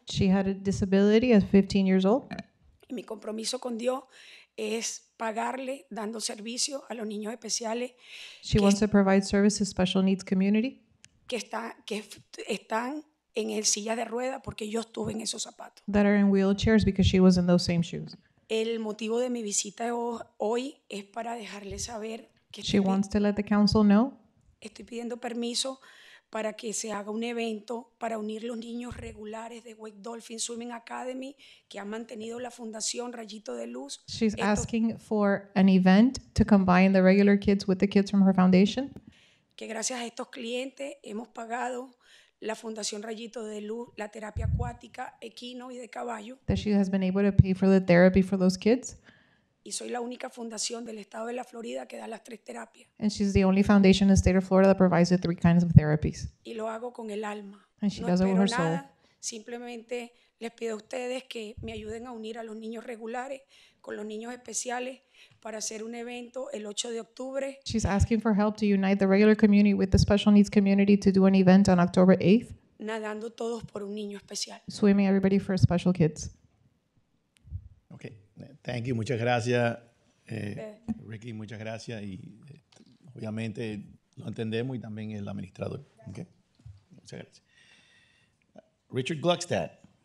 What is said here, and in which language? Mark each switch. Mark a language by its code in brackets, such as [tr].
[en] She had a disability at 15 years old. [es] Y mi compromiso con Dios es pagarle, dando servicio a los niños especiales. [en] She wants to provide service to special needs community. [es] Que están en el silla de rueda porque yo estuve en esos zapatos. [en] That are in wheelchairs because she was in those same shoes. [es] El motivo de mi visita hoy es para dejarle saber que [en] she wants to let the council know. [es] Estoy pidiendo permiso para que se haga un evento para unir los niños regulares de Wake Dolphin Swimming Academy que ha mantenido la fundación Rayito de Luz. [en] She's asking for an event to combine the regular kids with the kids from her foundation. [es] Que gracias a estos clientes hemos pagado la Fundación Rayito de Luz, la terapia acuática, equino y de caballo. [en] That she has been able to pay for the therapy for those kids. [es] Y soy la única fundación del estado de la Florida que da las tres terapias. [en] And she's the only foundation in the state of Florida that provides the three kinds of therapies. [es] Y lo hago con el alma. [en] And she does it with her soul. [es] No espero nada, simplemente les pido a ustedes que me ayuden a unir a los niños regulares con los niños especiales para hacer un evento el 8 de octubre. [en] She's asking for help to unite the regular community with the special needs community to do an event on October 8th. [es] Nadando todos por un niño especial. [en] Swimming everybody for special kids. Okay, Thank you, [es] muchas gracias, Ricky, muchas gracias, y obviamente lo entendemos y también el administrador. Okay. Muchas gracias. Richard Gluckstadt.